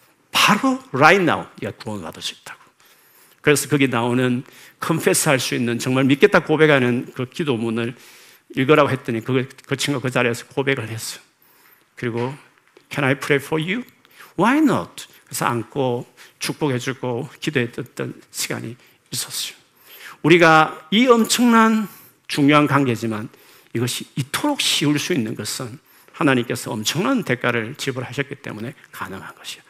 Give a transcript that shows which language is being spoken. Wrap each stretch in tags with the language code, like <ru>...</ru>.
<ko>바로 right now 네가 구원을 받을 수 있다고. 그래서 거기 나오는 confess 할 수 있는 정말 믿겠다 고백하는 그 기도문을 읽으라고 했더니 그 친구가 그 자리에서 고백을 했어요.</ko> <en>그리고 Can I pray for you? Why not?</en> <ko>그래서 안고 축복해주고 기도했던 시간이 있었어요. 우리가 이 엄청난 중요한 관계지만 이것이 이토록 쉬울 수 있는 것은 하나님께서 엄청난 대가를 지불하셨기 때문에 가능한 것이에요.</ko>